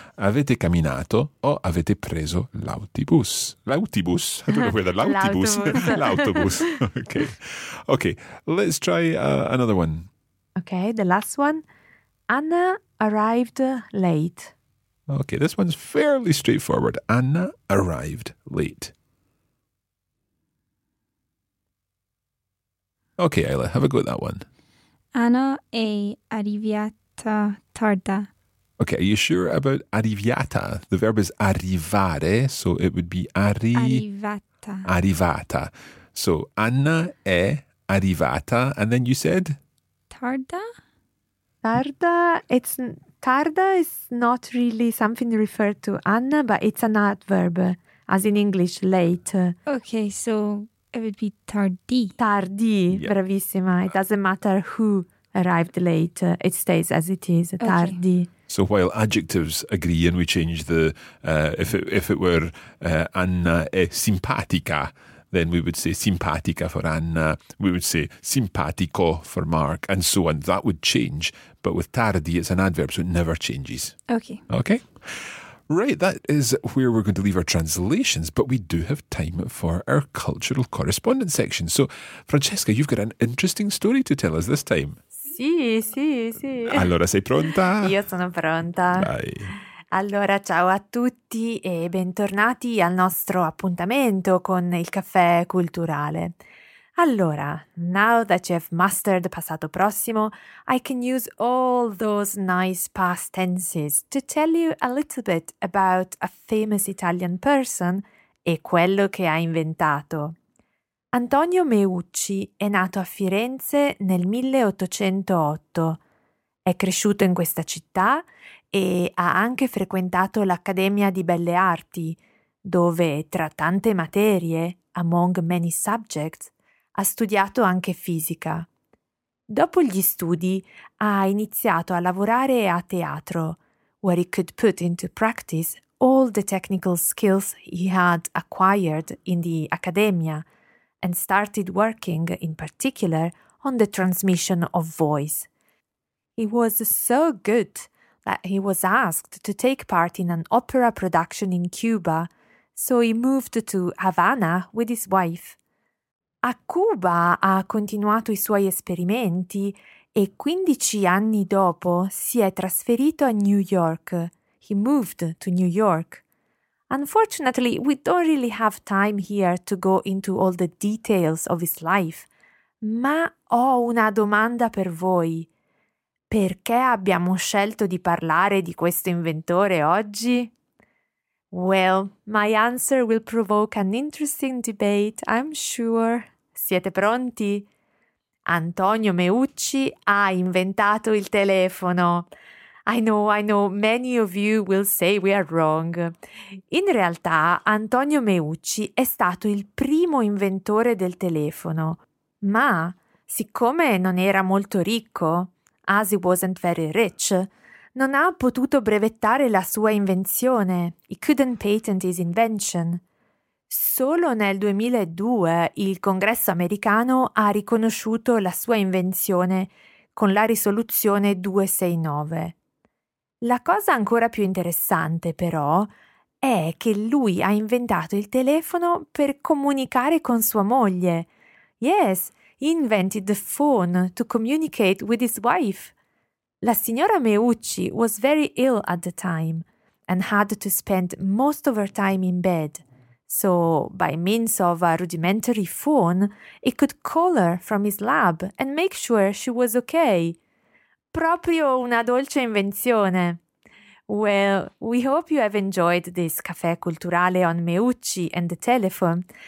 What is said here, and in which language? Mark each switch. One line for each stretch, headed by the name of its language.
Italian: Avete camminato o avete preso l'autobus. L'autobus.
English: I don't know where the l'autobus.
Italian: L'autobus.
English: L'autobus. Okay. Okay. Let's try another one. Okay. The last one. Anna arrived late. Okay. This one's fairly straightforward. Anna arrived late. Okay, Ayla, have a go at that one.
Italian: Anna è arrivata tarda.
English: Okay, are you sure about arrivata? The verb is arrivare, so it would be
Italian: arrivata. Arrivata.
English: So
Italian: Anna è arrivata,
English: and then you said
Italian: tarda. Tarda.
English: It's tarda is not really something referred to Anna, but it's an adverb, as in English, late. Okay, so. It would be tardi.
Italian: Tardi, yep. Bravissima.
English: It doesn't matter who arrived late. It stays as it is, tardi. Okay. So while adjectives agree and we change the, if it were
Italian: Anna è simpatica,
English: then we would say simpatica for Anna. We would say simpatico for Mark and so on. That would change. But with tardi, it's an adverb, so it never changes. Okay. Okay. Right, that is where we're going to leave our translations, but we do have time for our cultural correspondence section. So, Francesca, you've got an interesting story to tell us this time.
Italian: Sì, sì, sì. Allora, sei pronta? Io sono pronta. Vai. Allora, ciao a tutti e bentornati al nostro appuntamento con il caffè culturale.
English: Allora, now that you have mastered passato prossimo, I can use all those nice past tenses to tell you a little bit about a famous Italian person
Italian: e quello che ha inventato. Antonio Meucci è nato a Firenze nel 1808. È cresciuto in questa città e ha anche frequentato l'Accademia di Belle Arti, dove tra tante materie,
English: among many subjects,
Italian: ha studiato anche fisica. Dopo gli studi ha iniziato a lavorare a teatro,
English: where he could put into practice all the technical skills he had acquired in the Accademia and started working in particular on the transmission of voice. He was so good that he was asked to take part in an opera production in Cuba, so he moved to Havana with his wife.
Italian: A Cuba ha continuato i suoi esperimenti e 15 anni dopo si è trasferito a New York.
English: He moved to New York. Unfortunately, we don't really have time here to go into all the details of his life,
Italian: ma ho una domanda per voi. Perché abbiamo scelto di parlare di questo inventore oggi?
English: Well, my answer will provoke an interesting debate, I'm sure.
Italian: Siete pronti? Antonio Meucci ha inventato il telefono.
English: I know, many of you will say we are wrong.
Italian: In realtà, Antonio Meucci è stato il primo inventore del telefono. Ma, siccome non era molto ricco,
English: as he wasn't very rich,
Italian: non ha potuto brevettare la sua invenzione.
English: He couldn't patent his invention.
Italian: Solo nel 2002 il Congresso americano ha riconosciuto la sua invenzione con la risoluzione 269. La cosa ancora più interessante, però, è che lui ha inventato il telefono per comunicare con sua moglie.
English: Yes, he invented the phone to communicate with his wife. La signora Meucci was very ill at the time and had to spend most of her time in bed. So, by means of a rudimentary phone, he could call her from his lab and make sure she was okay.
Italian: Proprio una dolce invenzione.
English: Well, we hope you have enjoyed this caffè culturale on Meucci and the telephone.